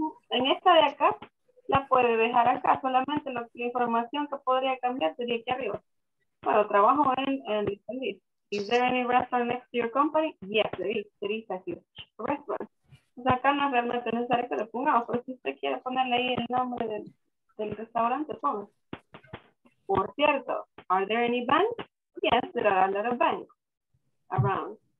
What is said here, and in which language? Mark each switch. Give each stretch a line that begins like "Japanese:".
Spanish: En esta de acá, la puede dejar acá. Solamente la información que podría cambiar sería aquí arriba. Bueno, trabajo en this.
English: Is there any restaurant next to your company? Yes, there is a huge restaurant.
Spanish: O sea, acá no es realmente necesario que lo pongamos, pero si usted quiere ponerle ahí el nombre del restaurante, ponga. Por cierto,
English: are there any banks? Yes, there are a lot of banks around.